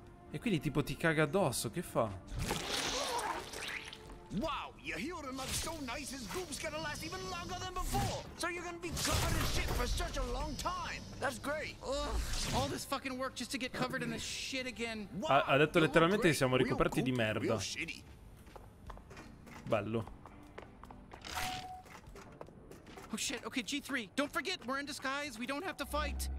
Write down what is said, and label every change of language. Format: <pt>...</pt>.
<it>E quindi tipo ti caga addosso, che fa?</it> <en>Wow, you healed him up so nice his goop's gonna last even longer than before. So you're gonna be covered in shit for such a long time. That's great. Ugh, all this fucking work just to get covered in this shit again.</en> <it>Ha detto letteralmente che siamo ricoperti di merda. Bello.</it> <en>Oh shit, okay, G3, don't forget, we're in disguise, we don't have to fight.</en>